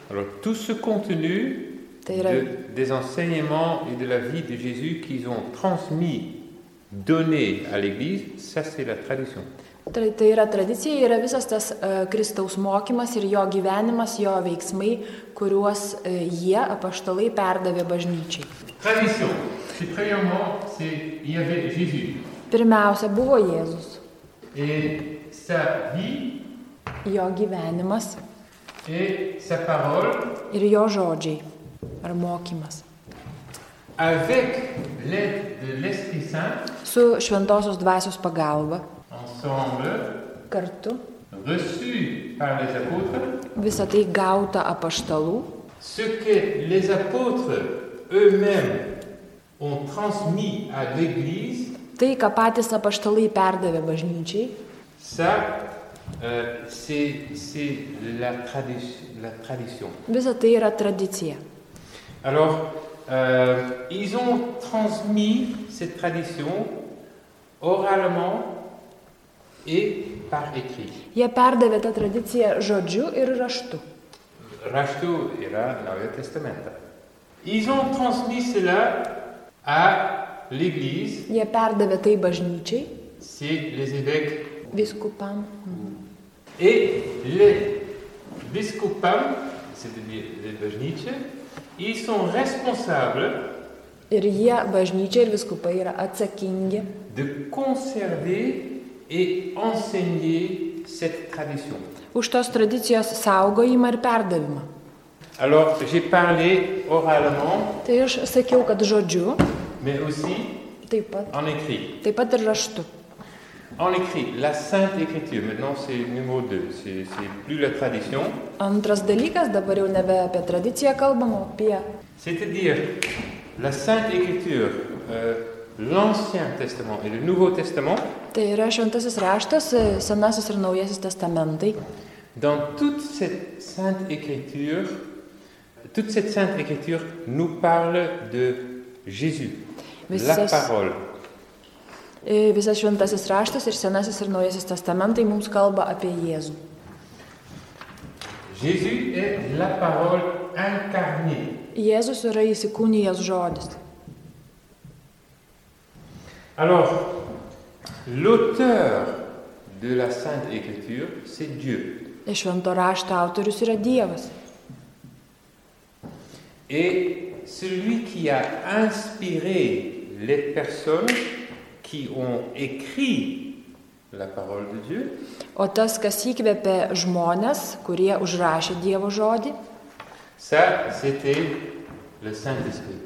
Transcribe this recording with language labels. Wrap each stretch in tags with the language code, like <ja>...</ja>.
<fr>Alors tout ce contenu,</fr> <lt>tai yra,</lt> <fr>des enseignements et de la vie de Jésus qu'ils ont transmis, donné à l'église, ça c'est la tradition.</fr> <lt>Tai yra tradicija, yra visas tas Kristaus mokymas ir jo gyvenimas, jo veiksmai, kuriuos jie apaštalai perdavė bažnyčiai.</lt> <fr>Tradition. C'est premièrement, c'est il y avait Jésus.</fr> <lt>Pirmiausia buvo Jėzus.</lt> <fr>Et sa vie,</fr> <lt>jo gyvenimas,</lt> <fr>et sa parole,</fr> <lt>ir jo žodžiai, ar mokymas.</lt> <fr>Avec l'aide de l'Esprit Saint,</fr> <lt>su šventosios dvasios pagalba,</lt> <fr>ensemble,</fr> <lt>kartu,</lt> <fr>reçu par les apôtres,</fr> <lt>visa tai gauta apaštalų,</lt> <fr>ce que les apôtres eux-mêmes ont transmis à l'Église,</fr> <lt>tai, ką patys apaštalai perdavė bažnyčiai,</lt> <fr>ça, c'est la tradition.</fr> <lt>Visa tai yra tradicija.</lt> <fr>Alors, ils ont transmis cette tradition oralement et par écrit.</fr> <lt>Jie perdavė tą tradiciją žodžiu ir raštu. Raštu yra Naujo Testamento.</lt> <fr>Ils ont transmis cela à l'Église.</fr> <lt>Jie perdavė tai bažnyčiai.</lt> <fr>C'est les évêques.</fr> <lt>Viskupam.</lt> <fr>Et les</fr> <lt>viskupam,</lt> <fr>c'est-à-dire les</fr> <lt>bažnyčiai,</lt> <fr>ils sont responsables.</fr> <lt>Ir jie, bažnyčia ir viskupai, yra atsakingi.</lt> <fr>De conserver et enseigner cette tradition.</fr> <lt>Už tos tradicijos saugojimą ir perdavimą.</lt> <fr>Alors, j'ai parlé oralement.</fr> <lt>Tai aš sakiau, kad žodžiu.</lt> <fr>Mais aussi</fr> <lt>taip pat.</lt> <fr>En écrit.</fr> <lt>Taip pat ir raštu.</lt> <fr>En écrit, la Sainte Écriture, maintenant c'est numéro 2, c'est plus la tradition.</fr> <lt>Antras dalykas, dabar jau nebe apie tradiciją kalbama, apie...</lt> <fr>C'est-à-dire, la Sainte Écriture, l'Ancien Testament et le Nouveau Testament.</fr> <lt>Tai yra šventasis raštas, senasis ir naujasis testamentai.</lt> <fr>Dans toute cette Sainte Écriture, nous parle de Jésus, la parole.</fr> <lt>Visas šventasis raštas ir senasis ir naujasis testamentai mums kalba apie Jėzų.</lt> <fr>Jésus est la parole incarnée.</fr> <lt>Jėzus yra įsikūnijęs žodis.</lt> <fr>Alors, l'auteur de la Sainte Écriture, c'est Dieu.</fr> <lt>Et švento rašto autorius yra Dievas.</lt> <fr>Et celui qui a inspiré les personnes qui ont écrit la parole de Dieu.</fr> <lt>O tas, kas įkvėpė žmonės, kurie užrašė Dievo žodį.</lt> <fr>Ça, c'était le Saint-Esprit.</fr>